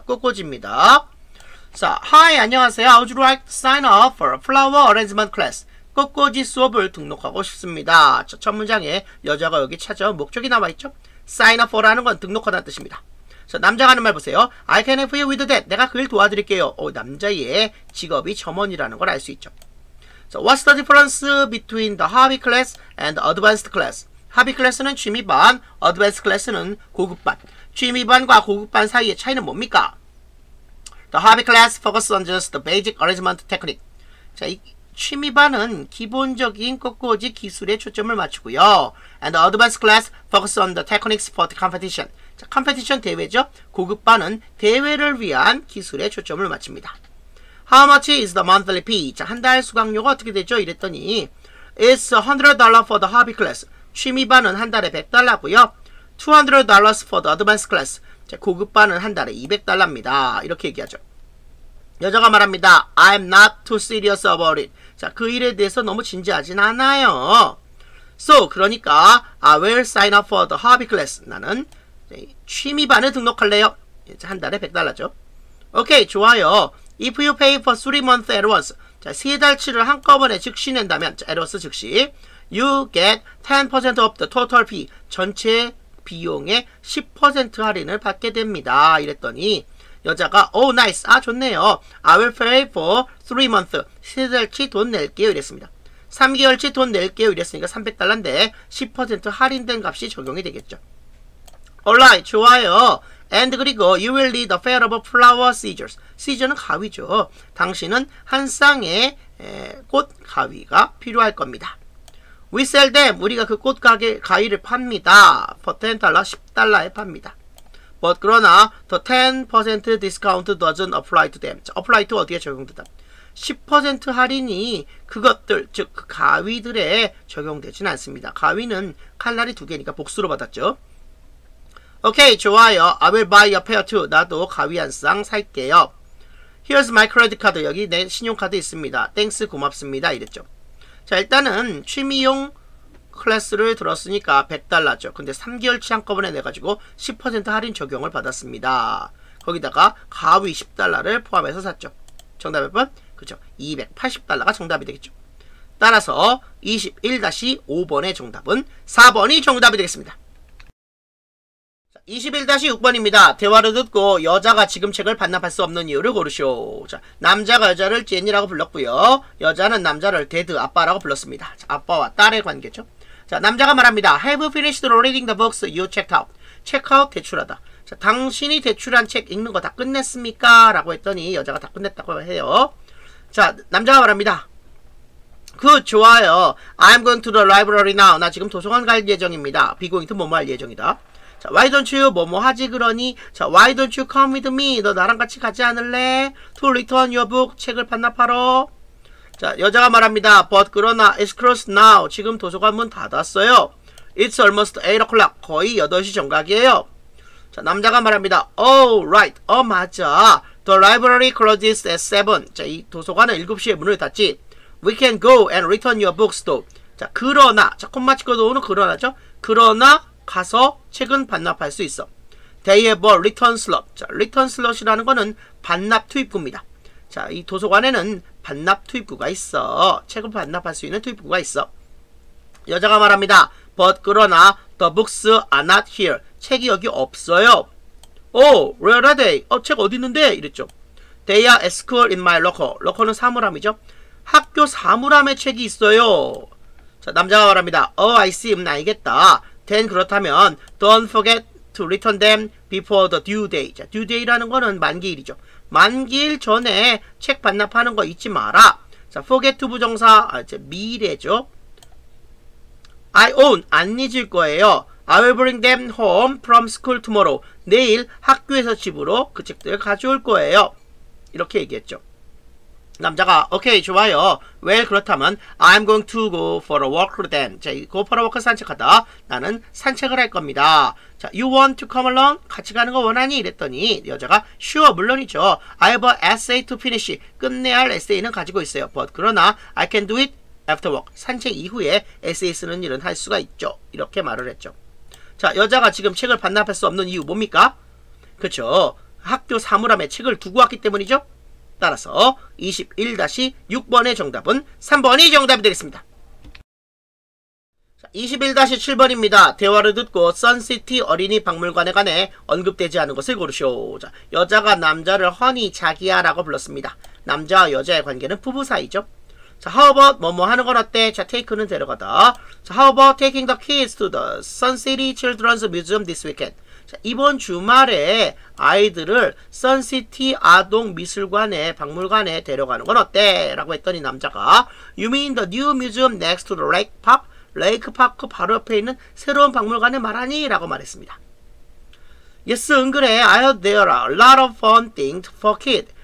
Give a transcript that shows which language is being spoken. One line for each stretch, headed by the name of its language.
Korean: 꽃꽂이입니다. 자,
English: Hi,
Korean: 안녕하세요.
English: I would like to sign up for a flower arrangement class.
Korean: 꽃꽂이 수업을 등록하고 싶습니다. 자, 첫 문장에 여자가 여기 찾아 목적이 나와있죠? Sign up for라는 건 등록하다는 뜻입니다. 자, 남자가 하는 말 보세요.
English: I can help you with that.
Korean: 내가 그 일 도와드릴게요. 남자의 직업이 점원이라는 걸 알 수 있죠.
English: So, what's the difference between the hobby class and the advanced class?
Korean: Hobby class는 취미반, advanced class는 고급반. 취미반과 고급반 사이의 차이는 뭡니까?
English: The hobby class focuses on just the basic arrangement technique.
Korean: 자, 이 취미반은 기본적인 꽃꽂이 기술에 초점을 맞추고요.
English: And the advanced class focuses on the techniques for the competition.
Korean: 자, 컴페티션 대회죠. 고급반은 대회를 위한 기술에 초점을 맞춥니다.
English: How much is the monthly fee?
Korean: 자, 한 달 수강료가 어떻게 되죠? 이랬더니
English: It's $100 for the hobby class.
Korean: 취미반은 한 달에 $100고요.
English: $200 for the advanced class.
Korean: 자, 고급반은 한 달에 $200입니다. 이렇게 얘기하죠. 여자가 말합니다.
English: I'm not too serious about it.
Korean: 자, 그 일에 대해서 너무 진지하진 않아요.
English: So,
Korean: 그러니까
English: I will sign up for the hobby class.
Korean: 나는 취미반을 등록할래요. 이제 한 달에 $100죠. 오케이, 좋아요.
English: If you pay for 3 months at once,
Korean: 자, 세 달치를 한꺼번에 즉시 낸다면, 자, at once 즉시,
English: you get 10% of the total fee,
Korean: 전체 비용의 10% 할인을 받게 됩니다. 이랬더니, 여자가,
English: oh, nice.
Korean: 아, 좋네요.
English: I will pay for 3 months.
Korean: 세 달치 돈 낼게요. 이랬습니다. 3개월치 돈 낼게요. 이랬으니까 $300인데, 10% 할인된 값이 적용이 되겠죠.
English: Alright,
Korean: 좋아요.
English: And
Korean: 그리고
English: you will need a pair of flower scissors.
Korean: Scissors는 가위죠. 당신은 한 쌍의 꽃 가위가 필요할 겁니다.
English: We sell them.
Korean: 우리가 그 꽃 가게 가위를 팝니다. For $10, $10에 팝니다.
English: But
Korean: 그러나
English: the 10% discount doesn't apply to them.
Korean: Apply to 어디에 적용되다? 10% 할인이 그것들, 즉 그 가위들에 적용되진 않습니다. 가위는 칼날이 두 개니까 복수로 받았죠. 오케이, 좋아요.
English: I will buy a pair too.
Korean: 나도 가위 한 쌍 살게요.
English: Here's my credit card.
Korean: 여기 내 신용카드 있습니다. Thanks, 고맙습니다. 이랬죠. 자, 일단은 취미용 클래스를 들었으니까 $100죠. 근데 3개월치 한꺼번에 내가지고 10% 할인 적용을 받았습니다. 거기다가 가위 $10를 포함해서 샀죠. 정답 몇 번? 그렇죠. $280가 정답이 되겠죠. 따라서 21-5번의 정답은 4번이 정답이 되겠습니다. 21-6번입니다. 대화를 듣고 여자가 지금 책을 반납할 수 없는 이유를 고르쇼. 자, 남자가 여자를 제니라고 불렀고요. 여자는 남자를 데드, 아빠라고 불렀습니다. 자, 아빠와 딸의 관계죠. 자, 남자가 말합니다.
English: Have you finished reading the books you checked out?
Korean: 체크아웃 대출하다. 자, 당신이 대출한 책 읽는 거 다 끝냈습니까? 라고 했더니 여자가 다 끝냈다고 해요. 자, 남자가 말합니다. 굿, 좋아요.
English: I'm going to the library now.
Korean: 나 지금 도서관 갈 예정입니다. Be going to 뭐뭐 할 예정이다. 자, why don't you, 뭐뭐 하지, 그러니?
English: 자, why don't you come with me?
Korean: 너 나랑 같이 가지 않을래?
English: To return your book,
Korean: 책을 반납하러. 자, 여자가 말합니다. But, 그러나,
English: it's closed now.
Korean: 지금 도서관 문 닫았어요.
English: It's almost 8 o'clock.
Korean: 거의 8시 정각이에요. 자, 남자가 말합니다. Oh, right. 어, 맞아.
English: The library closes at 7.
Korean: 자, 이 도서관은 7시에 문을 닫지.
English: We can go and return your books, though.
Korean: 자, 그러나. 자, 콤마 찍어도 오는 그러나죠? 그러나 가서 책은 반납할 수 있어.
English: They have a return slot.
Korean: 자, return slot이라는 거는 반납 투입구입니다. 자, 이 도서관에는 반납 투입구가 있어. 책을 반납할 수 있는 투입구가 있어. 여자가 말합니다. But 그러나
English: the books are not here.
Korean: 책이 여기 없어요.
English: Oh, where are they?
Korean: 어, 책 어디 있는데? 이랬죠.
English: They are at school in my locker. Locker는 사물함이죠.
Korean: 학교 사물함에 책이 있어요. 자, 남자가 말합니다.
English: Oh, I see.
Korean: 알겠다.
English: Then
Korean: 그렇다면
English: don't forget to return them before the due day.
Korean: 자, due day라는 거는 만기일이죠. 만기일 전에 책 반납하는 거 잊지 마라. 자, forget to 부정사. 아, 이제 미래죠. I own. 안 잊을 거예요.
English: I will bring them home from school tomorrow.
Korean: 내일 학교에서 집으로 그 책들 가져올 거예요. 이렇게 얘기했죠. 남자가 오케이 좋아요.
English: Well
Korean: 그렇다면
English: I'm going to go for a walk then.
Korean: 자, go for a walk 산책하다. 나는 산책을 할 겁니다. 자,
English: you want to come along?
Korean: 같이 가는 거 원하니? 이랬더니 여자가 sure 물론이죠.
English: I have an essay to finish.
Korean: 끝내야 할 에세이는 가지고 있어요.
English: But
Korean: 그러나
English: I can do it after work.
Korean: 산책 이후에 에세이 쓰는 일은 할 수가 있죠. 이렇게 말을 했죠. 자, 여자가 지금 책을 반납할 수 없는 이유 뭡니까? 그렇죠. 학교 사물함에 책을 두고 왔기 때문이죠. 따라서 21-6번의 정답은 3번이 정답이 되겠습니다. 21-7번입니다. 대화를 듣고 선시티 어린이 박물관에 관해 언급되지 않은 것을 고르쇼. 자, 여자가 남자를 허니 자기야 라고 불렀습니다. 남자와 여자의 관계는 부부 사이죠. 자, how about 뭐뭐 하는 건 어때? 자, take는 데려가다.
English: 자, how about taking the kids to the Sun City Children's Museum this weekend?
Korean: 자, 이번 주말에 아이들을 선시티 아동미술관에 박물관에 데려가는 건 어때? 라고 했더니 남자가
English: You mean the new museum next to the lake park?
Korean: 레이크 파크 바로 옆에 있는 새로운 박물관에 말하니? 라고 말했습니다.
English: Yes, 그래. I heard there are a lot of fun things for kids.